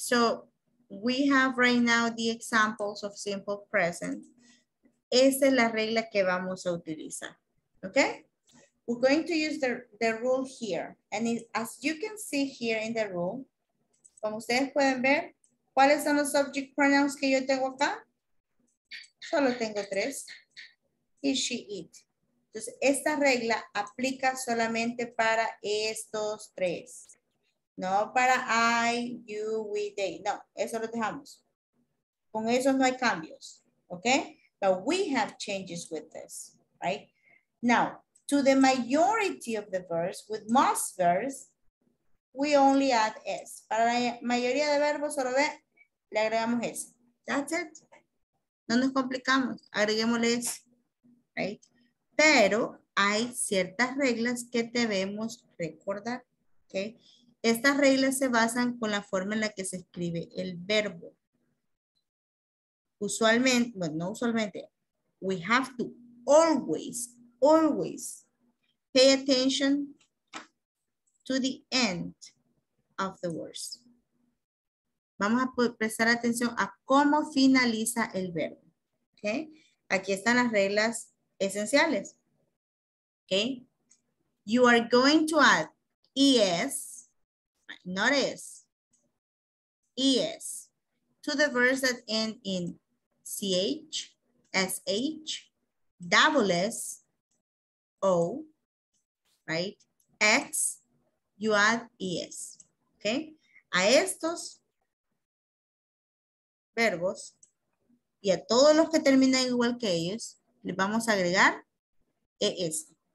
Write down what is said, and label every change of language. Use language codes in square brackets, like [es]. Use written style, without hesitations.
[en] So we have right now the examples of simple present. [es] Esa es la regla que vamos a utilizar. [en] Okay? We're going to use the rule here. And it, as you can see here in the rule, [es] como ustedes pueden ver, ¿cuáles son los subject pronouns que yo tengo acá? Solo tengo tres. He, she, it. Entonces, esta regla aplica solamente para estos tres. No para I, you, we, they. No, eso lo dejamos. Con eso no hay cambios. [en] ¿Ok? But we have changes with this. Right? Now, to the majority of the verbs, with most verbs, we only add S. [es] Para la mayoría de verbos, solo ve, le agregamos S. [en] That's it. [es] No nos complicamos. Agreguémosle S. Right? Pero hay ciertas reglas que debemos recordar. Okay? Estas reglas se basan con la forma en la que se escribe el verbo. Usualmente, bueno, no usualmente, [en] we have to always, always pay attention to the end of the words. [es] Vamos a prestar atención a cómo finaliza el verbo. Okay? Aquí están las reglas esenciales. Okay? [en] You are going to add es, not is, es, to the verbs that end in ch, sh, double s, o, right, x, you add es. Okay? [es] A estos verbos y a todos los que terminan igual que ellos, les vamos a agregar es.